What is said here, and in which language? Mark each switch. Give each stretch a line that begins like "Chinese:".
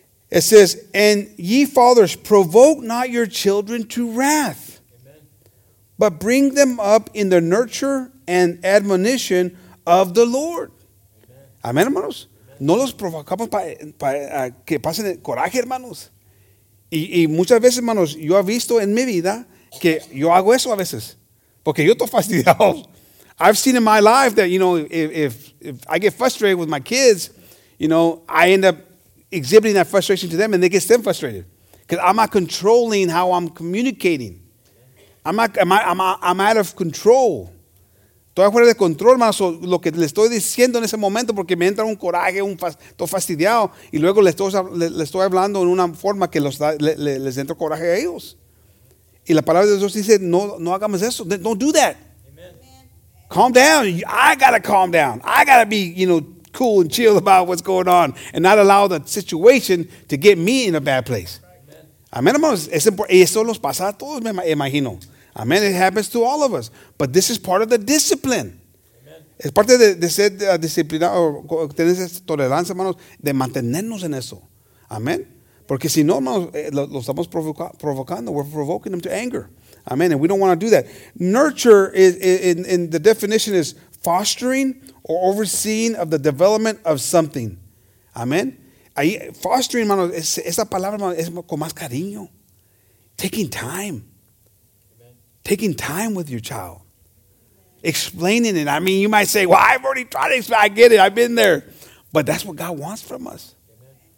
English: It says, and ye fathers, provoke not your children to wrath, but bring them up in the nurture and admonition of the Lord.
Spanish: Amén, hermanos. No los provocamos para que pasen el coraje, hermanos. Y muchas veces, hermanos, yo he visto en mi vida que yo hago eso a veces. Porque yo estoy fastidiado.
English: I've seen in my life that, you know, if I get frustrated with my kids, you know, I end up exhibiting that frustration to them and they get them frustrated. Because I'm not controlling how I'm communicating. I'm out of control.
Spanish: Estoy fuera de control, hermanos, lo que le estoy diciendo en ese momento porque me entra un coraje, estoy fastidiado y luego le estoy hablando en una forma que les entra coraje a ellos. Y la palabra de Dios dice, no hagamos eso.
English: Don't do that. Amen. Calm down. I got to calm down. I got to be, you know, cool and chill about what's going on and not allow the situation to get me in a bad place.
Spanish: Amén, hermanos. Eso nos pasa a todos, me imagino. Amen.
English: It happens to all of us. But this is part of the discipline. Amen.
Spanish: Es parte de ser disciplinado, tener esa tolerancia, hermanos, de mantenernos en eso. Amen. Porque si no, hermanos, lo estamos provocando.
English: We're provoking them to anger. Amen. And we don't want to do that. Nurture, in the definition, is fostering or overseeing of the development of something. Amen.
Spanish: Ahí, fostering, hermanos, esa palabra, hermanos, es con más cariño.
English: Taking time. Taking time with your child. Explaining it. I mean, you might say, well, I've already tried to explain. I get it. I've been there. But that's what God wants from us. Amen.